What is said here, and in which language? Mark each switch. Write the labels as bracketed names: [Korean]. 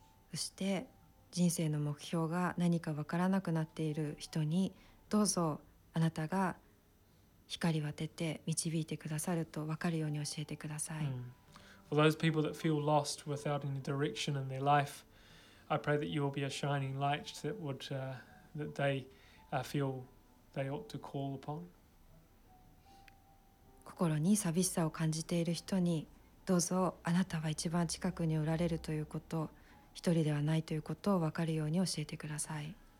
[Japanese] そして人生の目標が何かわからなくなっている人に、どうぞあなたが光を当てて導いてくださると分かるように教えてください。 [English] For those people that feel lost without any direction in their life, I pray that you will be a shining light that would, that they, feel they ought to call upon. [Japanese] 心に寂しさを感じている人に、どうぞあなたは一番近くにおられるということ、一人ではないということを分かるように教えてください。